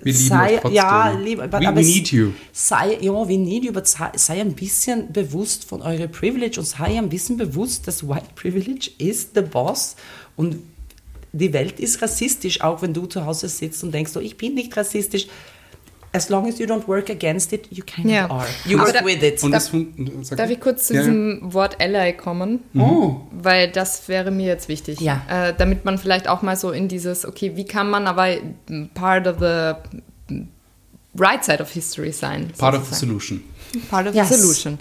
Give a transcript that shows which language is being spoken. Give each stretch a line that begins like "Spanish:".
German: Wir lieben euch trotzdem, aber sei ein bisschen bewusst von eurer Privilege und sei ein bisschen bewusst, dass White Privilege ist the boss und die Welt ist rassistisch, auch wenn du zu Hause sitzt und denkst, oh, ich bin nicht rassistisch.
English: As long as you don't work against it, you kind of are. You work with it.
German: Darf ich kurz zu diesem Wort Ally kommen? Oh. Weil das wäre mir jetzt wichtig. Ja. Damit man vielleicht auch mal so in dieses, okay, wie kann man aber part of the right side of history sein?
English: Part of the solution.